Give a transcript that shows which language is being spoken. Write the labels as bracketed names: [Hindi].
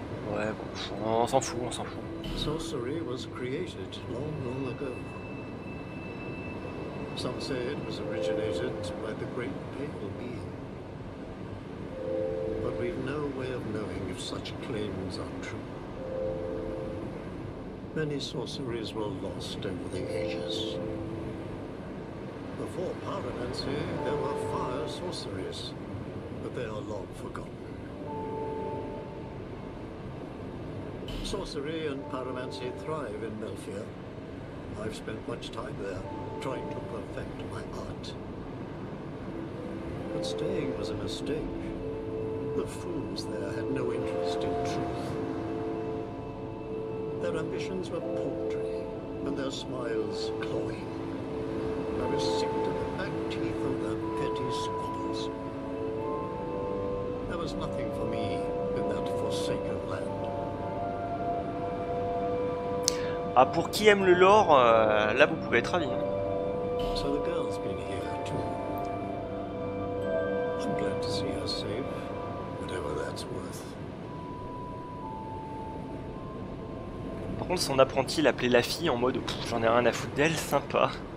[French] Ouais, bon, on s'en fout, on s'en fout. [English] Sorcery was created long, long ago. Some say it was originated by the great pale being. But we've no way of knowing if such claims are true. Many sorceries were lost over the ages. Before pyromancy, there were fire sorceries, but they are long forgotten. Sorcery and pyromancy thrive in Melfia. I've spent much time there, trying to perfect my art. But staying was a mistake. The fools there had no interest in truth. Their ambitions were paltry, and their smiles cloying. I was sick to the back teeth of their petty squabbles. There was nothing for me in that forsaken land. [French] Ah, pour qui aime le lore, là vous pouvez être ravis. [English] So the girl's been here too. I'm glad to see her safe, whatever that's worth. [French] Par contre, son apprenti l'appelait la fille en mode pff, j'en ai rien à foutre d'elle, sympa.